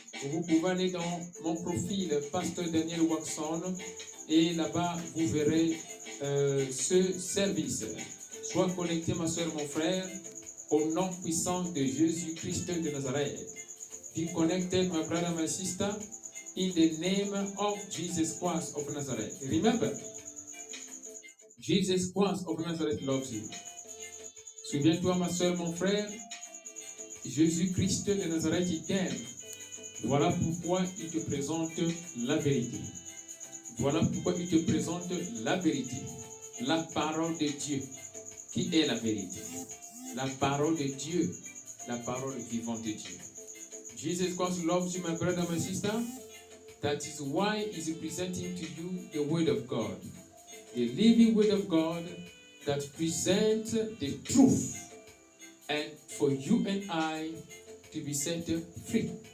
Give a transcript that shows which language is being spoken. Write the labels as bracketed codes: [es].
[fr] Vous pouvez aller dans mon profil, Pasteur Daniel Wax On. Et là-bas, vous verrez ce service. Sois connecté, ma soeur, mon frère, au nom puissant de Jésus-Christ de Nazareth. [en] Be connected, my brother, my sister. In the name of Jesus Christ of Nazareth. Remember, Jesus Christ of Nazareth loves you. [fr] Souviens-toi, ma soeur, mon frère, Jésus-Christ de Nazareth, il t'aime. Voilà pourquoi il te présente la vérité. Voilà pourquoi il te présente la vérité. La parole de Dieu, qui est la vérité. La parole de Dieu, la parole vivante de Dieu. [en] Jesus Christ loves you, my brother, my sister. That is why he is presenting to you the Word of God. The living Word of God that presents the truth and for you and I to be set free.